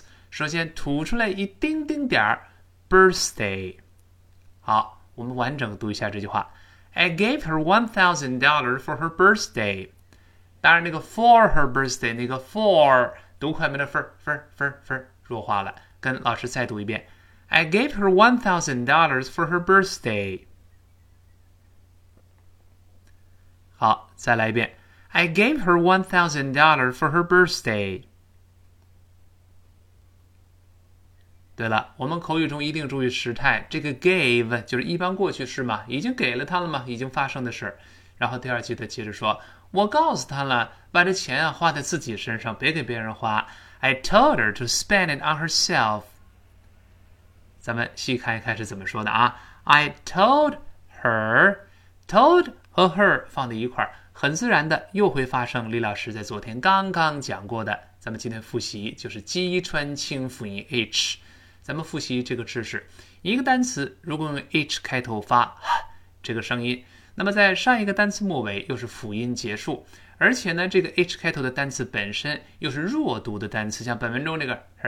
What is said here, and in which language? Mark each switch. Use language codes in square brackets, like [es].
[zh] 首先吐出来一丁丁点儿 birthday。好，我们完整读一下这句话。 [en] I gave her $1,000 for her birthday。 [zh] 当然那个 [en] for her birthday， [zh] 那个 for 读快门的 fr 弱化了，跟老师再读一遍。 [en] I gave her $1,000 for her birthday。 [zh] 好，再来一遍。 [en] I gave her $1,000 for her birthday。 [zh] 对了，我们口语中一定注意时态，这个 gave 就是一般过去式嘛，已经给了他了嘛，已经发生的事。然后第二句他接着说，我告诉他了，把这钱啊花在自己身上，别给别人花。 [en] I told her to spend it on herself。 [zh] 咱们细看一看是怎么说的啊。 [en] I told her， [zh] told 和 her 放在一块，很自然的又会发生李老师在昨天刚刚讲过的，咱们今天复习就是击穿清辅音 h。咱们复习这个知识，一个单词如果用 h 开头发这个声音，那么在上一个单词末尾又是辅音结束，而且呢这个 h 开头的单词本身又是弱读的单词，像本文中这个